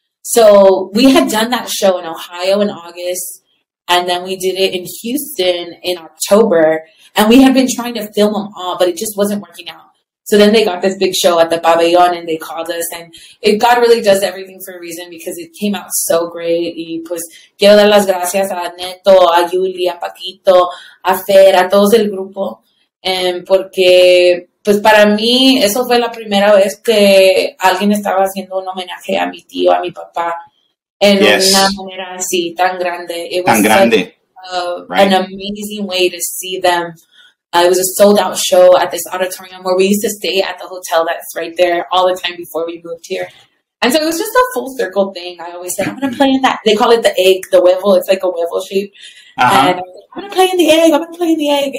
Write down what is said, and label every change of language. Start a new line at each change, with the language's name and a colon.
English: So we had done that show in Ohio in August, and then we did it in Houston in October, and we had been trying to film them all, but it just wasn't working out. So then they got this big show at the Pabellon, and they called us, and it, God really does everything for a reason, because it came out so great.
Spanish: Y pues, quiero dar las gracias a Neto, a Yuli, a Paquito, a Fer, a todos el grupo. Porque, pues para mí, eso fue la primera vez que alguien estaba haciendo un homenaje a mi tío, a mi papá, en una manera así, tan grande.
English: It was
Spanish: tan grande.
English: An amazing way to see them. It was a sold-out show at this auditorium where we used to stay at the hotel that's right there all the time before we moved here. And so it was just a full-circle thing. I always said, I'm going to play in that. They call it the egg, the huevo. It's like a huevo shape. Uh-huh. And I'm like, I'm going to play in the egg.